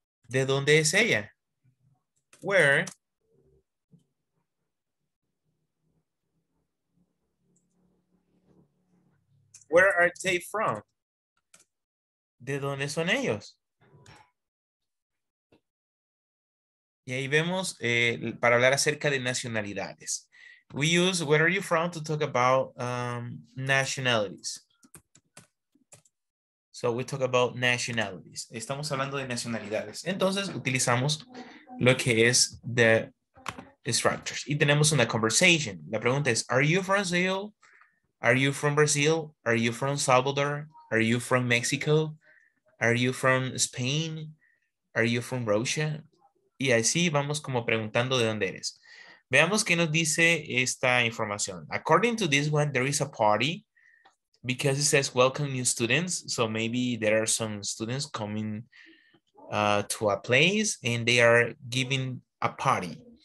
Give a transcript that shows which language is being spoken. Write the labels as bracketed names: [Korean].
[Spanish] ¿De dónde es ella? [English] Where are they from? [Spanish] ¿De dónde son ellos? Y ahí vemos para hablar acerca de nacionalidades. [English] We use where are you from to talk about nationalities. So we talk about nationalities. [Spanish] Estamos hablando de nacionalidades. Entonces utilizamos lo que es the structures. Y tenemos una conversation. La pregunta es, [English] are you from Brazil? Are you from Brazil? Are you from Salvador? Are you from Mexico? Are you from Spain? Are you from Russia? [Spanish] Y así vamos como preguntando de dónde eres. Veamos qué nos dice esta información. [English] According to this one, there is a party because it says welcome new students. So maybe there are some students coming to a place and they are giving a party.